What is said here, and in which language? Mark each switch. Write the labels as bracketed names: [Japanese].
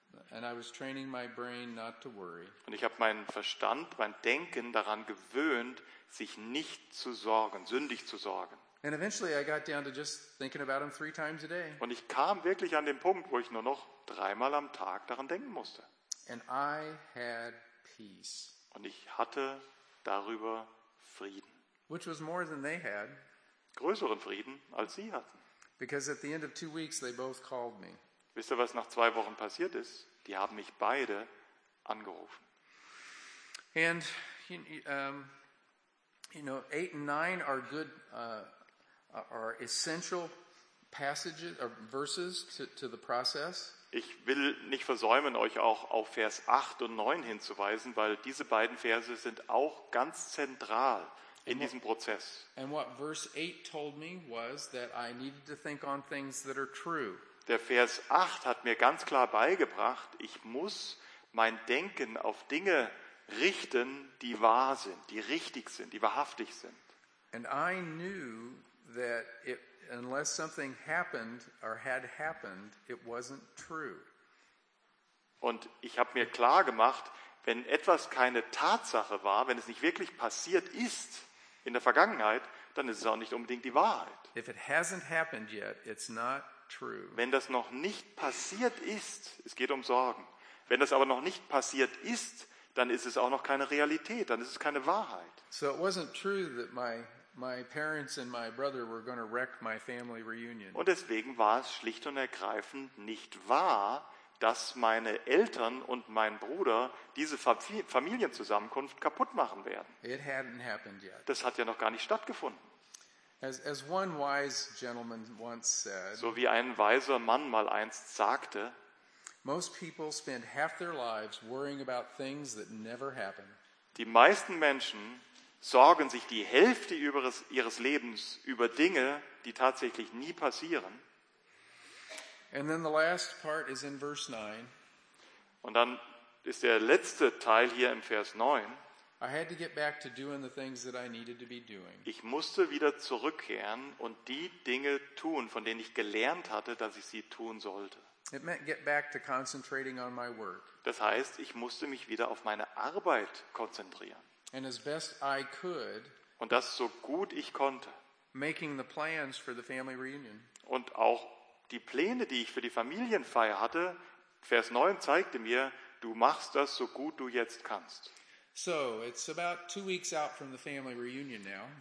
[English] And I was training my brain not to worry. [German] Und ich habe meinen Verstand, mein Denken daran gewöhnt, sich nicht zu sorgen, sündig zu sorgen. [English] And eventually I got down to just thinking about him 3 times a day. [German] Und ich kam wirklich an den Punkt, wo ich nur noch 3 Mal am Tag daran denken musste. [English] And I had peace. [German] Und ich hatte darüber Frieden. [English] Which was more than they had. [German] Größeren Frieden, als sie hatten. [English] Because at the end of 2 weeks they both called me. [German] Wisst ihr, was nach 2 Wochen passiert ist? Die haben mich beide angerufen. [English] And you know, 8 and 9 are good are essential passages or verses to the process. [German] Ich will nicht versäumen, euch auch auf Vers 8 und 9 hinzuweisen, weil diese beiden Verse sind auch ganz zentral in diesem Prozess. [English] And what verse 8 told me was that I needed to think on things that are true. [German] Der Vers 8 hat mir ganz klar beigebracht, ich muss mein Denken auf Dinge richten, die wahr sind, die richtig sind, die wahrhaftig sind. [English] And I knew that it unless something happened or had happened, it wasn't true. [German] Und ich habe mir klar gemacht, wenn etwas keine Tatsache war, wenn es nicht wirklich passiert ist in der Vergangenheit, dann ist es auch nicht unbedingt die Wahrheit. [English] If it hasn't happened yet, it's not true. [German] Wenn das noch nicht passiert ist, es geht um Sorgen. Wenn das aber noch nicht passiert ist, dann ist es auch noch keine Realität, dann ist es keine Wahrheit. [English] So it wasn't true that my parents and my brother were going to wreck my family reunion. [German] Und deswegen war es schlicht und ergreifend nicht wahr, dass meine Eltern und mein Bruder diese Familienzusammenkunft kaputt machen werden. [English] It hadn't happened yet. [German] Das hat ja noch gar nicht stattgefunden. [English] As one wise gentleman once said, [German] so wie ein weiser Mann mal einst sagte, [English] most people spend half their lives worrying about things that never happen. [German] Die meisten Menschen sorgen sich die Hälfte ihres Lebens über Dinge, die tatsächlich nie passieren. [English] And then the last part is in verse 9. [German] Und dann ist der letzte Teil hier im Vers 9. [English] I had to get back to doing the things that I needed to be doing. [German] Ich musste wieder zurückkehren und die Dinge tun, von denen ich gelernt hatte, dass ich sie tun sollte. [English] It meant get back to concentrating on my work. [German] Das heißt, ich musste mich wieder auf meine Arbeit konzentrieren. [English] And as best I could, [German] und das so gut ich konnte, [English] making the plans for the family reunion. [German] Und auch die Pläne, die ich für die Familienfeier hatte, Vers 9 zeigte mir, du machst das so gut du jetzt kannst. [English] So, it's about 2 weeks out from the family reunion now.